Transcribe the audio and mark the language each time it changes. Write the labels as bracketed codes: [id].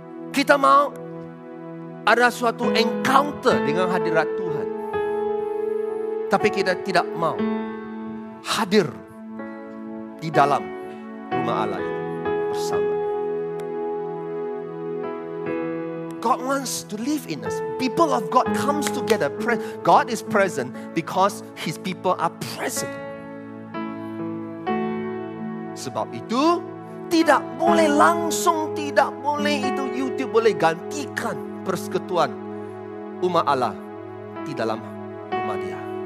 [ms] Kita mau ada suatu encounter dengan hadirat Tuhan. Tapi kita tidak mau hadir di dalam rumah Allah ini bersama. [en] God wants to live in us. People of God comes together. God is present because His people are present. [ms] Sebab itu, tidak boleh langsung, tidak boleh itu YouTube boleh gantikan persekutuan umat Allah di dalam rumah dia.